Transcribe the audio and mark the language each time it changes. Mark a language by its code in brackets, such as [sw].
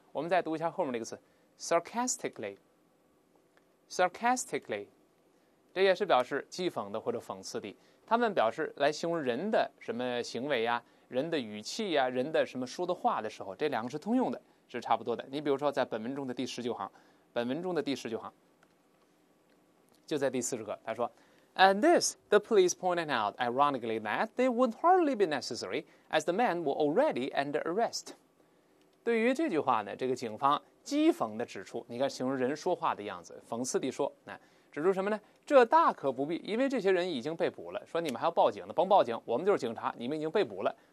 [zh] 我们再读一下后面那个词 sarcastically，这也是表示讥讽的或者讽刺的，他们表示来形容人的什么行为呀、人的语气呀、人的什么说的话的时候，这两个是通用的，是差不多的。你比如说在本文中的第十九行，就在第四十个，他说 [en] And this, the police pointed out ironically that they would hardly be necessary as the man were already under arrest. [zh] 对于这句话呢，这个警方讥讽的指出，你看形容人说话的样子，讽刺的说，指出什么呢？这大可不必，因为这些人已经被捕了，说你们还要报警呢，甭报警，我们就是警察，你们已经被捕了。